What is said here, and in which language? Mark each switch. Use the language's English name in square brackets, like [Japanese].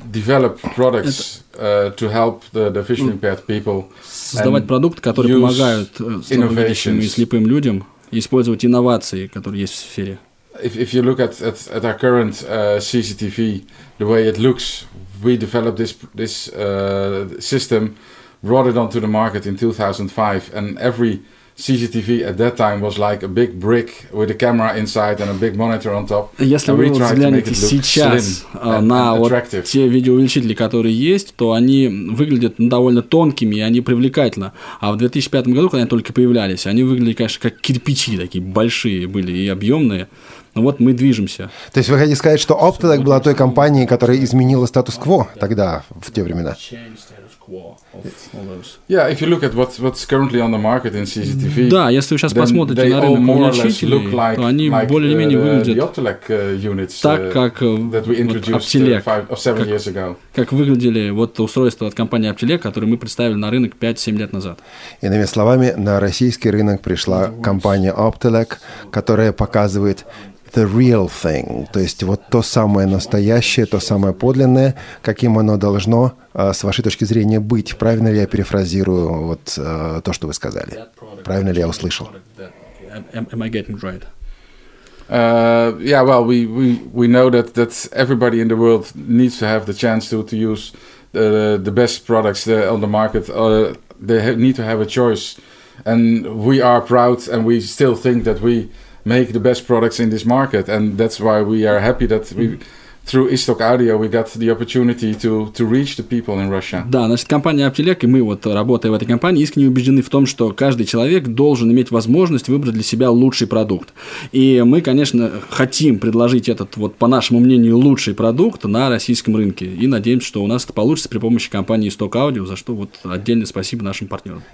[English] Develop products to help the visually impaired people. [Russian] Создавать продукты, которые помогают слабовидящим и слепым людям использовать инновации, которые есть в сфере. [English] If you look at our current CCTV, the way it looks, we developed this system, brought it onto the market in 2005, and every CCTV at that time was like a big brick with a camera inside and a big monitor on top. [Russian] Если вы взглянете сейчас на вот те видеоувеличители, которые есть, то они выглядят довольно тонкими, и они привлекательно. А в 2005 году, когда они только появлялись, они выглядели, конечно, как кирпичи такие большие были и объемные. Ну вот мы движемся. То есть вы хотите сказать, что Optelec была той компанией, которая изменила статус-кво тогда, в те времена? [English] Yeah, if you look at what's currently on the market in CCTV. [Russian] Да, если вы сейчас посмотрите на рынок увеличителей, то они более-менее выглядят так, как Optelec, как выглядели вот устройства от компании Optelec, которые мы представили на рынок 5-7 лет назад. Иными словами, на российский рынок пришла компания Optelec, которая показывает [English] the real thing, [Russian] то есть вот то самое настоящее, то самое подлинное, каким оно должно, с вашей точки зрения, быть. Правильно ли я перефразирую вот то, что вы сказали? Правильно ли я услышал? [English] Am I getting right? Yeah, well, we know that everybody in the world needs to have the chance to use the best products on the market. They need to have a choice. And we are proud, and we still think that we make the best products in this market, and that's why we are happy that we through iStock Audio we got the opportunity to reach the people in Russia. [Russian] Да, значит, компания Optilec, и мы вот работая в этой компании, искренне убеждены в том, что каждый человек должен иметь возможность выбрать для себя лучший продукт. И мы, конечно, хотим предложить этот вот, по нашему мнению, лучший продукт на российском рынке. И надеемся, что у нас это получится при помощи компании iStock Audio, за что вот отдельное спасибо нашим партнерам.